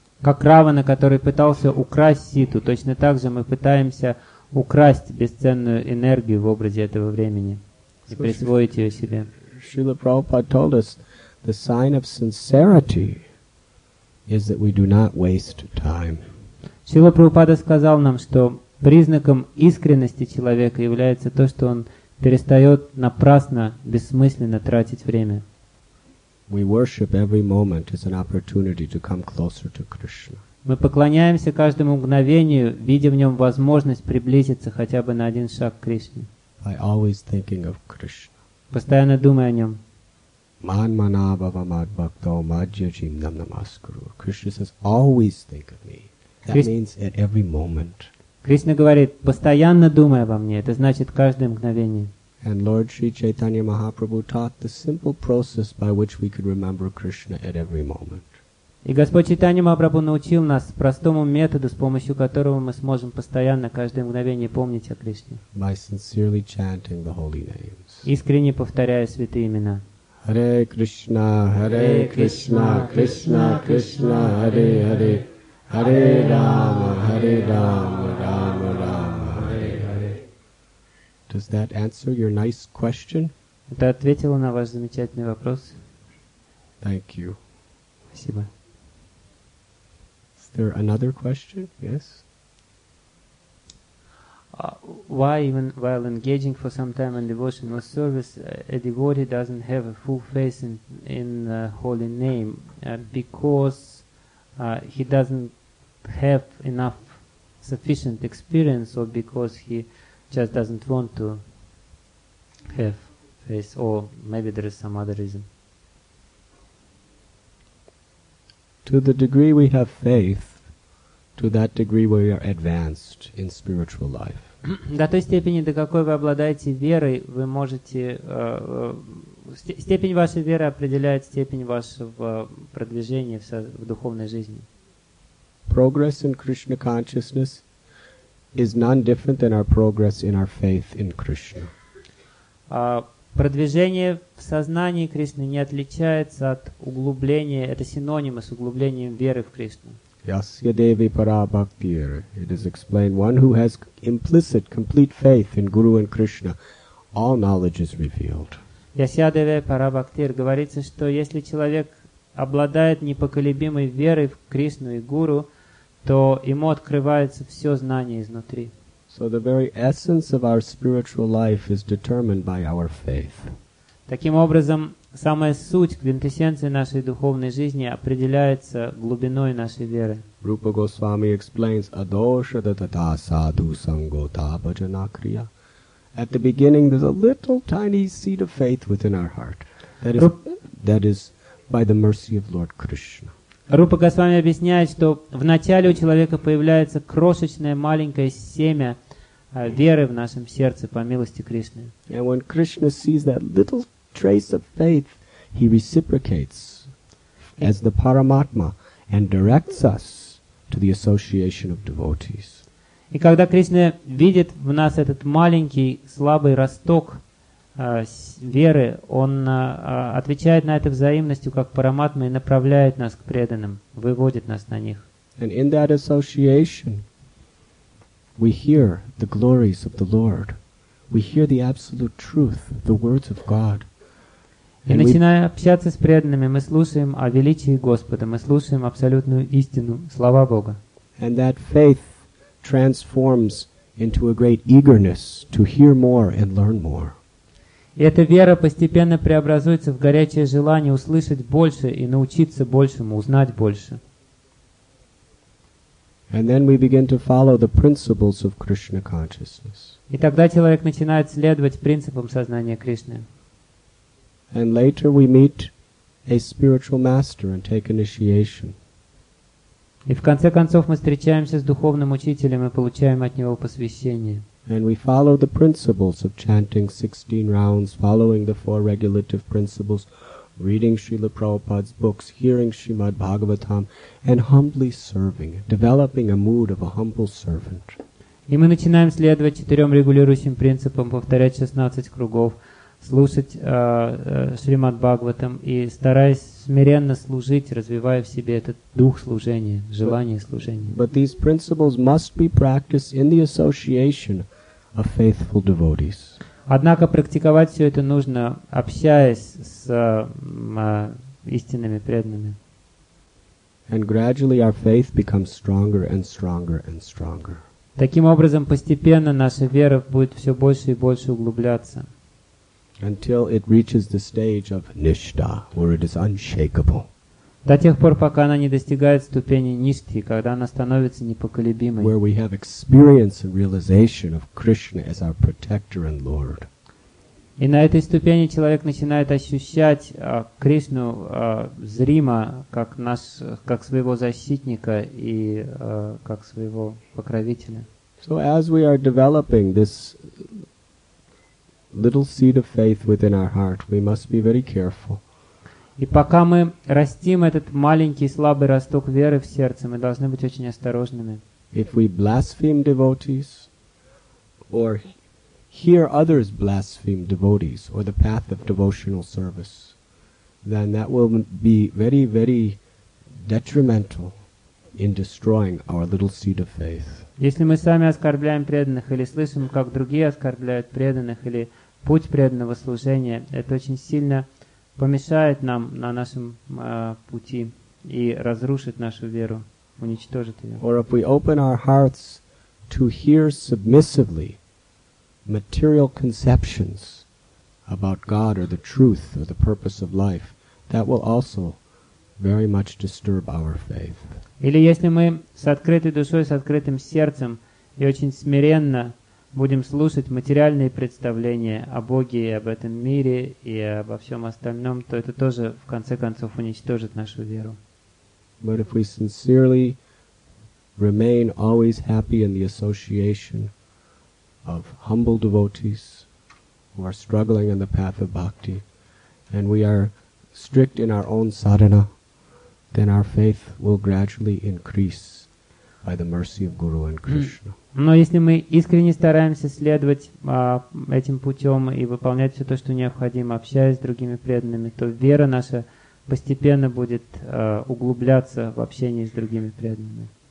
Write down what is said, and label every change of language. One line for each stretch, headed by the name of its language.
Russian: Как Равана, который пытался украсть Ситу, точно так же мы пытаемся украсть бесценную энергию в образе этого времени и присвоить ее себе.
English: Srila Prabhupada told us the sign of sincerity is that we do not waste time.
Russian: Srila Prabhupada сказал нам, что признаком искренности человека является то, что он перестает напрасно, бессмысленно тратить время.
English: We worship every moment as an opportunity to come closer to Krishna.
Russian: Мы поклоняемся каждому мгновению, видя в нем возможность приблизиться хотя бы на один шаг к Кришне.
English: By always thinking of Krishna.
Russian: Постоянно думая о нем.
Sanskrit: Man manabhava mad bhakto madhya jim nam namaskuru.
English: Krishna says, always think of me. That means at every moment.
Russian: Кришна говорит, постоянно думай обо мне. Это значит каждое мгновение.
English: And Lord Sri Chaitanya Mahaprabhu taught the simple process by which we could remember Krishna at every moment.
Russian: И Господь Чайтанья Махапрабху научил нас простому методу, с помощью которого мы сможем постоянно, каждое мгновение помнить о Кришне.
English: By sincerely chanting the holy names.
Russian: Искренне повторяя святые имена.
Sanskrit: Hare Krishna, Hare Krishna, Krishna Krishna, Hare Hare, Hare Rama, Hare Rama, Rama Rama, Hare Hare.
English: Does that answer your nice question?
Russian: Это ответило на ваш замечательный вопрос?
English: Thank you.
Russian: Спасибо.
English: Is there another question? Yes? Why, while engaging for some time in devotional service, a devotee doesn't have a full faith in holy name because he doesn't have enough sufficient experience, or because he just doesn't want to have faith, or maybe there is some other reason? To the degree we have faith, to that degree we are advanced in spiritual life.
Russian: До той степени, до какой вы обладаете верой, вы можете... Степень вашей веры определяет степень вашего продвижения в духовной жизни.
English: Progress in Krishna consciousness is none different than our progress in our faith in Krishna.
Russian: Продвижение в сознании Кришны не отличается от углубления, это синонимы с углублением веры в Кришну.
Sanskrit: Yasya Devi Parabhaktir.
English: It is explained, one who has implicit, complete faith in Guru and Krishna, all knowledge is revealed.
Sanskrit: Yasya Devi Parabhaktir.
Russian: Говорится, что если человек обладает непоколебимой верой в Кришну и Гуру, то ему открывается все знание изнутри.
English: So the very essence of our spiritual life is determined by our faith.
Russian: Таким образом, самая суть, квинтэссенция нашей духовной жизни определяется глубиной нашей веры.
Sanskrit: Rupa Goswami explains adosha tatata sadhu sangota bhajana kriya.
English: At the beginning, there's a little tiny seed of faith within our heart. That is by the mercy of Lord Krishna.
Russian: Rupa Goswami объясняет, что в начале у человека появляется крошечное маленькое семя веры в нашем сердце по милости Кришны.
English: And when Krishna sees that little trace of faith, he reciprocates as the Paramatma and directs us to the association of devotees.
Russian: И когда Кришна видит в нас этот маленький слабый росток веры, он отвечает на это взаимностью как Параматма и направляет нас к преданным, выводит нас на них.
English: And in that association, we hear the glories of the Lord. We hear the absolute truth, the words of God.
Russian: И начиная общаться с преданными, мы слушаем о величии Господа, мы слушаем абсолютную истину, слова Бога.
English: And that faith transforms into a great eagerness to hear more and learn more.
Russian: И эта вера постепенно преобразуется в горячее желание услышать больше и научиться большему, узнать больше.
English: And then we begin to follow the principles of Krishna consciousness.
Russian: И тогда человек начинает следовать принципам сознания Кришны.
English: And later we meet a spiritual master and take initiation.
Russian: И в конце концов мы встречаемся с духовным учителем и получаем от него посвящение.
English: And we follow the principles of chanting 16 rounds, following the four regulative principles, reading Srila Prabhupada's books, hearing Srimad Bhagavatam, and humbly serving, developing a mood of a humble servant.
Russian: И мы начинаем следовать четырем регулирующим принципам, повторять 16 кругов, слушать Шримад Бхагаватам и стараясь смиренно служить, развивая в себе этот дух служения, желание служения.
English: But these principles must be practiced in the association of faithful devotees.
Russian: Однако практиковать все это нужно, общаясь с истинными преданными.
English: And gradually our faith becomes stronger and stronger and stronger.
Russian: Таким образом, постепенно наша вера будет все больше и больше углубляться.
English: Until it reaches the stage of nishtha, where it is unshakable.
Russian: До тех пор, пока она не достигает ступени ништи, когда она становится непоколебимой.
English: Where we have experience and realization of Krishna as our protector and Lord.
Russian: И на этой ступени человек начинает ощущать Кришну зримо, как нас, как своего защитника и как своего покровителя.
English: So as we are developing this little seed of faith within our heart, we must be very careful.
Russian: И пока мы растим этот маленький слабый росток веры в сердце, мы должны быть очень осторожными.
English: If we blaspheme devotees, or hear others blaspheme devotees, or the path of devotional service, then that will be very, very detrimental in destroying our little seed of faith.
Russian: Если мы сами оскорбляем преданных, или слышим, как другие оскорбляют преданных, или путь преданного служения, это очень сильно помешает нам на нашем пути и разрушит нашу веру, уничтожит ее.
English: Or if we open our hearts to hear submissively material conceptions about God or the truth or the purpose of life, that will also very much disturb our faith.
Russian: Или если мы с открытой душой, с открытым сердцем и очень смиренно будем слушать материальные представления о Боге и об этом мире и обо всем остальном, то это тоже, в конце концов, уничтожит нашу веру.
English: But if we sincerely remain always happy in the association of humble devotees who are struggling in the path of bhakti, and we are strict in our own sadhana, then our faith will gradually increase by the mercy of Guru and Krishna.
Russian: Но если мы искренне стараемся следовать этим путем и выполнять все то, что необходимо, общаясь с другими преданными, то вера наша постепенно будет углубляться в общении с другими преданными.